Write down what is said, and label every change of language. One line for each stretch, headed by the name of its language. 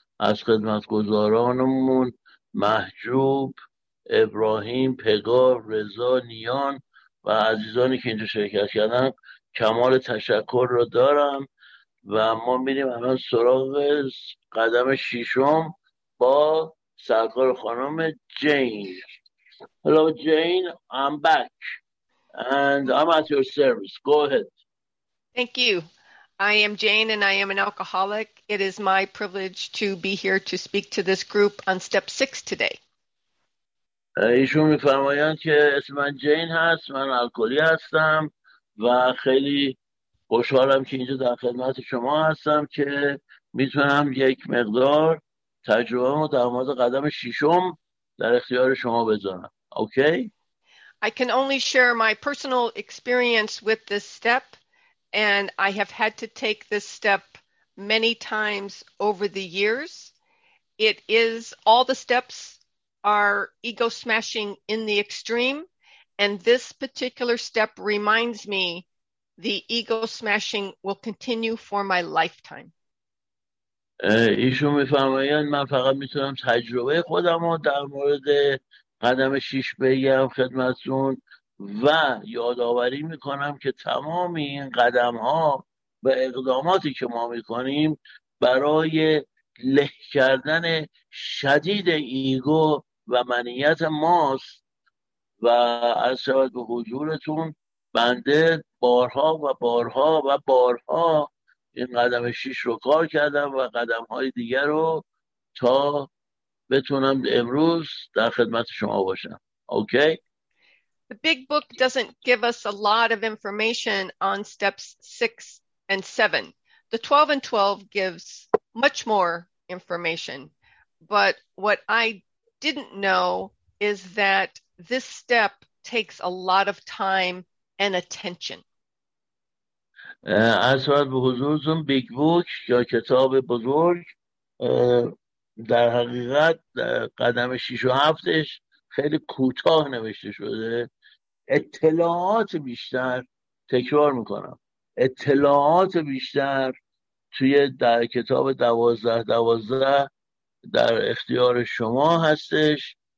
Persian: از خدمتگزارانمون محجوب، ابراهیم، پگاه، رضا، نیان و عزیزانی که اینجا شرکت کردن کمال تشکر رو دارم. و ما میریم الان سراغ قدم ششم با سرکار خانم جین.
English: Hello Jane, I'm back and I'm at your service. Go ahead. Thank you. I am Jane and I am an alcoholic. It is my privilege to be here to speak to this group on step 6 today.
Persian: ایشون میفرمایند که اسم من جین هست، من الکلی هستم و خیلی خوشحالم که اینجا در خدمت شما هستم که میتونم یک مقدار تجربه و در مورد قدم ششم در اختیار شما بذارم. اوکی؟
English: I can only share my personal experience with this step and I have had to take this step many times over the years. It is all the steps are ego smashing in the extreme, and this particular step reminds me the ego smashing will continue for my lifetime.
Persian: ایشون میفرمایند من فقط میتونم تجربه خودم رو در مورد قدم شیش بگم خدمتون و یادآوری میکنم که تمام این قدم ها و اقداماتی که ما میکنیم برای له کردن شدید ایگو و منیت ماست. و از شود به حضورتون بنده بارها و بارها و بارها این قدم شیش رو کار کردم و قدم های دیگر رو تا بتونم امروز در خدمت شما باشم. اوکی؟
English: The big book doesn't give us a lot of information on steps 6 and 7. The 12 and 12 gives much more information. But what I didn't know is that this step takes a lot of time and attention.
Persian: از وقت به حضورتون بیگ بوک یا کتاب بزرگ در حقیقت قدم 6 و 7ش خیلی کوتاه نوشته شده. اطلاعات بیشتر، تکرار میکنم، اطلاعات بیشتر توی در کتاب 12-12 در اختیار شما هستش.